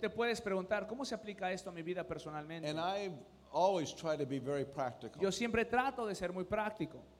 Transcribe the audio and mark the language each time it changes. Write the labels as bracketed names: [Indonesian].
[Spanish] Te puedes preguntar cómo se aplica esto a mi vida personalmente. [English] And I always try to be very practical. [Spanish] Yo siempre trato de ser muy práctico.